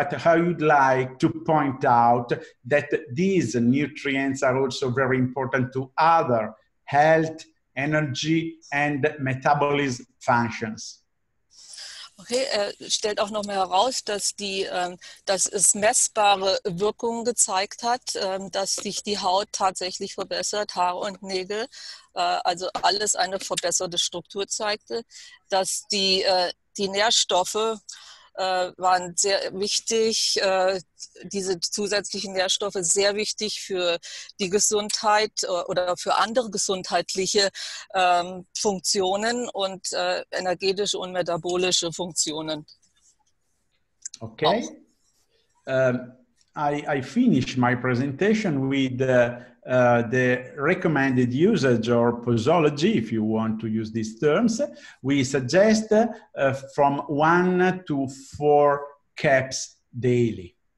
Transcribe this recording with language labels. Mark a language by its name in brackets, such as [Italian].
[English] But how you'd like to point out that these nutrients are also very important to other health, energy and metabolism functions. [German] Okay, er stellt auch nochmal heraus, dass es messbare Wirkungen gezeigt hat, dass sich die Haut tatsächlich verbessert, Haare und Nägel, also alles eine verbesserte Struktur zeigte, dass die Nährstoffe waren sehr wichtig, diese zusätzlichen Nährstoffe sehr wichtig für die Gesundheit oder für andere gesundheitliche Funktionen und energetische und metabolische Funktionen. Okay. [English] I finish my presentation with the recommended usage or posology, if you want to use these terms. We suggest from 1 to 4 caps daily.